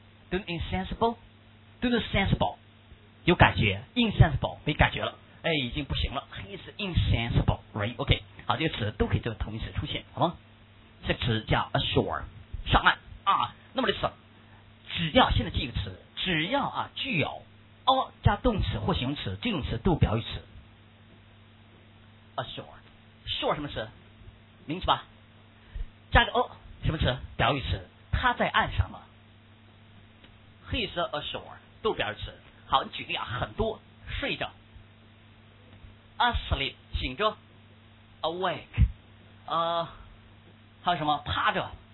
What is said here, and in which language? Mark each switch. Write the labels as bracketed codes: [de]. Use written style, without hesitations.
[zh] Do insensible， do insensible， 有感觉 ，insensible 没感觉了，哎，已经不行了 ， [en] he's insensible， [zh] right， OK， 好，这个词都可以做同义词出现，好吗？这词叫 ashore， 上岸啊。那么的词，只要现在记一个词，只要啊具有 o 加动词或形容词，这种词都表语词。 ashore， shore 什么词？名词吧。加个 o 什么词？表语词。他在岸上吗 ？ [en] He's ashore， [zh] 都表语词。好，你举例啊，很多睡着 ，asleep 醒着 ，awake， 还有什么趴着